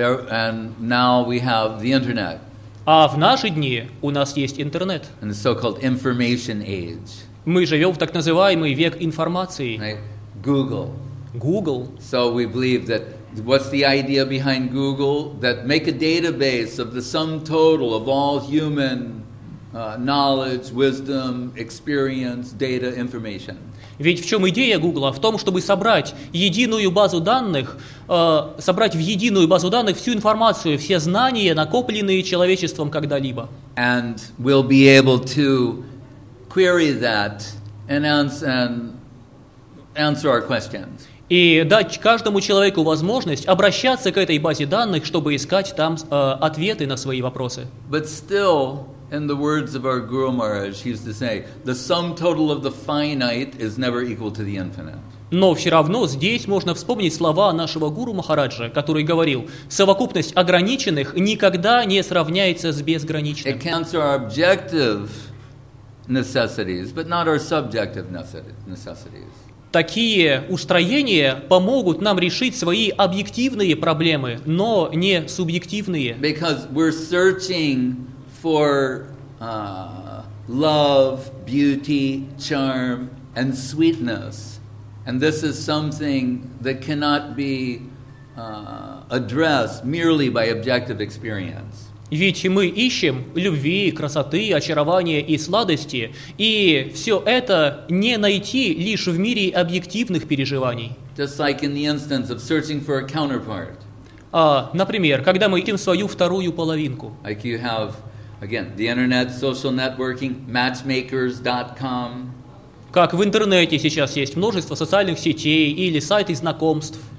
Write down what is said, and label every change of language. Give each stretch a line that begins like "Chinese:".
English: And now we have the internet.
Russian: А в наши дни у нас есть интернет.
English: In the so-called information age.
Russian: Мы живем в так называемый век информации.
English: Right? Google. Google. So we believe that what's the idea behind Google? That make a database of the sum total of all human knowledge, wisdom, experience, data, information.
Russian: Ведь в чем идея Гугла? В том, чтобы собрать единую базу данных, собрать в единую базу данных всю информацию, все знания, накопленные человечеством когда-либо.
English: And we'll be able to query that and answer our questions.
Russian: И дать каждому человеку возможность обращаться к этой базе данных, чтобы искать там ответы на свои вопросы.
English: But still, in the words of our Guru Maharaj, he used to say, the sum total of the finite is never equal to the infinite.
Russian: Но все равно здесь можно вспомнить слова нашего Гуру Махараджа, который говорил, совокупность ограниченных никогда не сравняется с безграничным.
English: It can answer our objective necessities, but not our subjective necessities.
Russian: Такие устроения помогут нам решить свои объективные проблемы, но не субъективные.
English: Because we're searching for love, beauty, charm, and sweetness. And this is something that cannot be addressed merely by objective experience.
Russian: Ведь мы ищем любви, красоты, очарования и сладости, и все это не найти лишь в мире объективных переживаний.
English: Just like in the instance of searching for a counterpart.
Russian: Например, когда мы ищем свою вторую половинку.
English: Like you have, again, the internet, social networking, matchmakers.com.
Russian: как в интернете сейчас есть множество социальных сетей или сайтов знакомств.